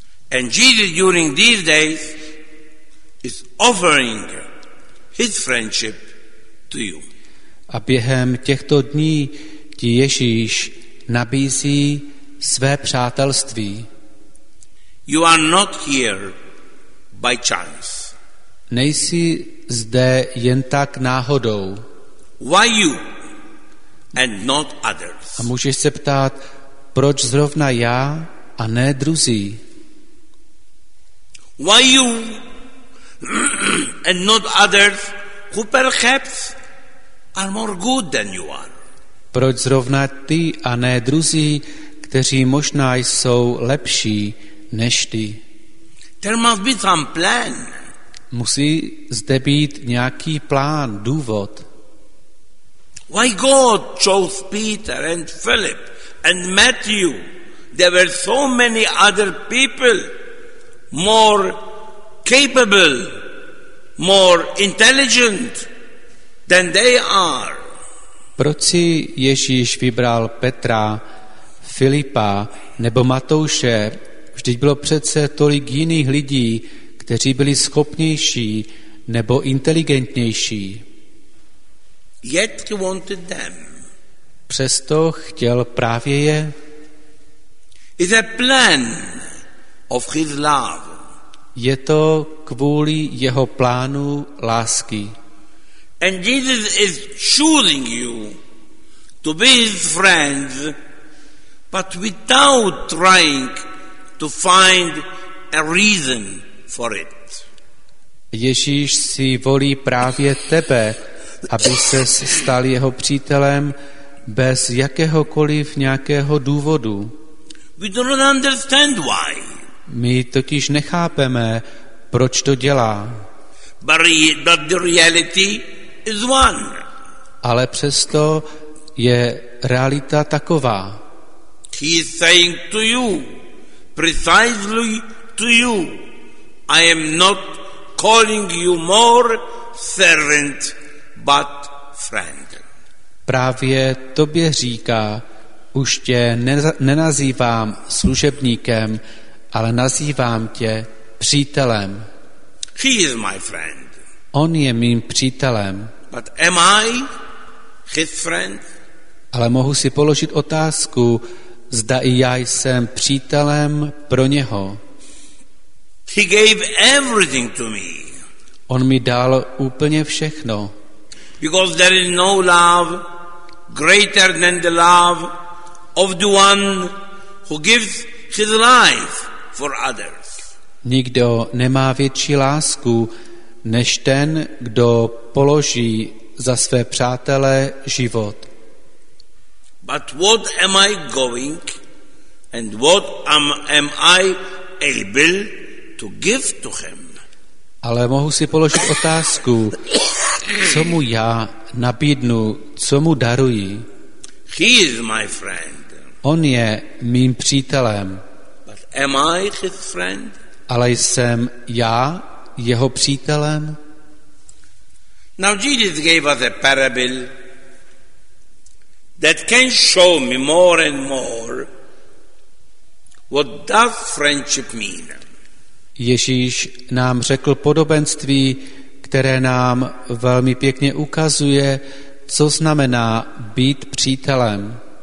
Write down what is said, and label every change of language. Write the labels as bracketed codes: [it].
[en] And Jesus during these days is offering his friendship to you. [cs] A během těchto dní ti Ježíš nabízí své přátelství. [en] You are not here by chance. [cs] Nejsi zde jen tak náhodou. [en] Why you and not others? [cs] A můžeš se ptát, proč zrovna já a ne druzí? [en] Why you and not others who perhaps are more good than you are? [cs] Proč zrovna ty a ne druzí, kteří možná jsou lepší než ty? [en] There must be some plan. [cs] Musí zde být nějaký plán, důvod. [en] Why God chose Peter and Philip and Matthew? There were so many other people more capable, more intelligent than they are. [cs] Proč si Ježíš vybral Petra, Filipa nebo Matouše? Vždyť bylo přece tolik jiných lidí, kteří byli schopnější nebo inteligentnější. [en] Yet he wanted them. [cs] Přesto chtěl právě je. [en] It's a plan of his love. [cs] Je to kvůli jeho plánu lásky. [en] And Jesus is choosing you to be his friends, but without trying to find a reason for it. [cs] Ježíš si volí právě tebe, aby ses stal jeho přítelem bez jakéhokoliv nějakého důvodu. [en] We don't understand why. [cs] My totiž nechápeme, proč to dělá. [en] But the reality is one. [cs] Ale přesto je realita taková. [en] He is saying to you, precisely to you, I am not calling you more servant, but friend. [cs] Právě tobě říká, už tě nenazývám služebníkem, ale nazývám tě přítelem. [en] He is my friend. [cs] On je mým přítelem. [en] But am I his friend? [cs] Ale mohu si položit otázku, zda i já jsem přítelem pro něho. [en] He gave everything to me. [cs] On mi dal úplně všechno. [en] Because there is no love greater than the love of the one who gives his life for others. [cs] Nikdo nemá větší lásku než ten, kdo položí za své přátele život. [en] But what am I going and what am I able to give to him? [cs] Ale mohu si položit otázku, co mu já nabídnu, co mu daruji? [en] He is my friend. [cs] On je mým přítelem. [en] But am I his friend? [cs] Ale jsem já jeho přítelem? [en] Now Jesus gave us a parable that can show me more and more what does friendship mean. [cs] Ježíš nám řekl podobenství, které nám velmi pěkně ukazuje, co znamená být přítelem.